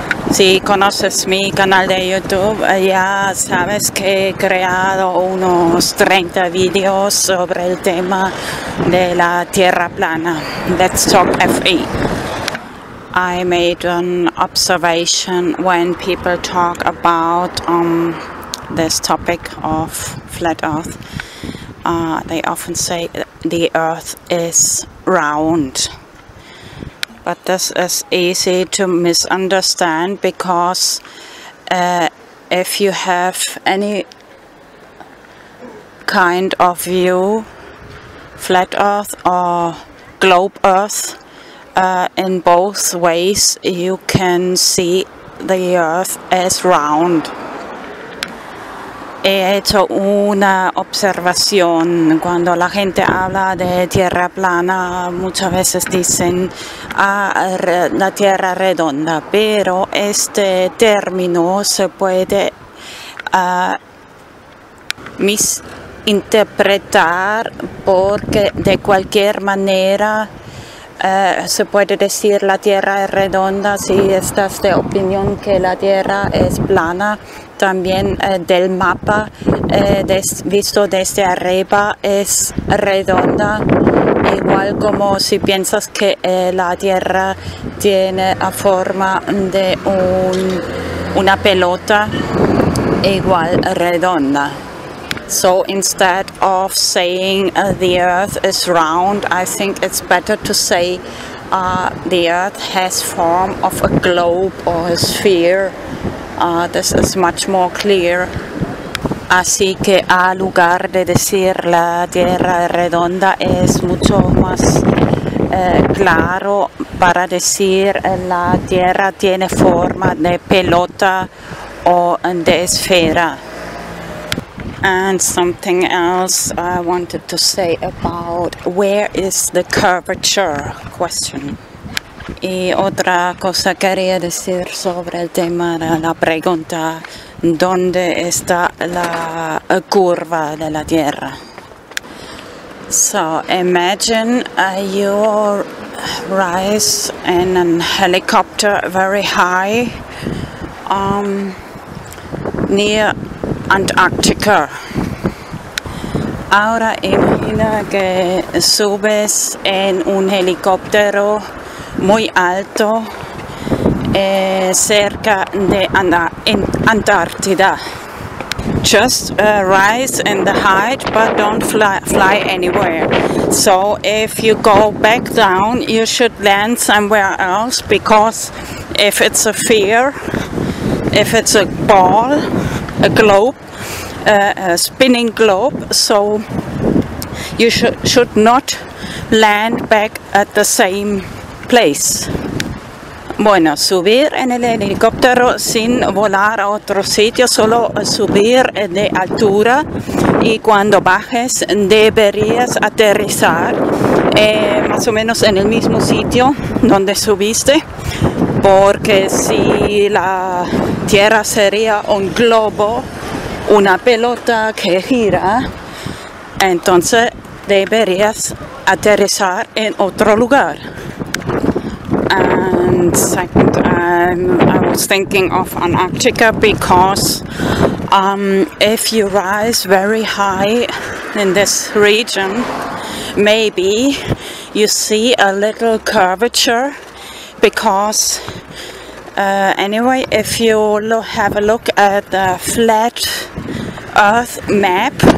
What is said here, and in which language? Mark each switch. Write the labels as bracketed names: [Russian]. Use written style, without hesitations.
[Spanish] Si conoces mi canal de YouTube, ya sabes que he creado unos 30 videos sobre el tema de la Tierra Plana. [English] Let's talk FE. I made an observation when people talk about this topic of flat earth. They often say the earth is round. But this is easy to misunderstand, because if you have any kind of view, flat earth or globe earth, in both ways you can see the earth as round. [Spanish] He hecho una observación. Cuando la gente habla de tierra plana, muchas veces dicen la tierra redonda, pero este término se puede misinterpretar, porque de cualquier manera se puede decir la tierra es redonda si estás de opinión que la tierra es plana. También del mapa visto desde arriba es redonda, igual como si piensas que la tierra tiene la forma de una pelota, igual redonda. [English] So instead of saying the earth is round, I think it's better to say the earth has form of a globe or a sphere. This is much more clear. [Spanish] Así que a lugar de decir la tierra redonda, es mucho más claro para decir la tierra tiene forma de pelota o de esfera. [English] And something else I wanted to say about where is the curvature question. [Spanish] Y otra cosa quería decir sobre el tema de la pregunta, ¿dónde está la curva de la Tierra? [English] So imagine you rise in a helicopter very high near Antarctica. [Spanish] Ahora imagina que subes en un helicóptero muy alto cerca de Antártida. [English] Just rise in the height, but don't fly anywhere. So if you go back down, you should land somewhere else, because if it's a sphere, if it's a ball, a globe, a spinning globe, so you should not land back at the same place. [Spanish] Bueno, subir en el helicóptero sin volar a otro sitio, solo subir de altura, y cuando bajes deberías aterrizar más o menos en el mismo sitio donde subiste, porque si la tierra sería un globo, una pelota que gira, entonces deberías aterrizar en otro lugar. [English] And second, I was thinking of Antarctica, because if you rise very high in this region, maybe you see a little curvature, because anyway, if you have a look at the flat earth map,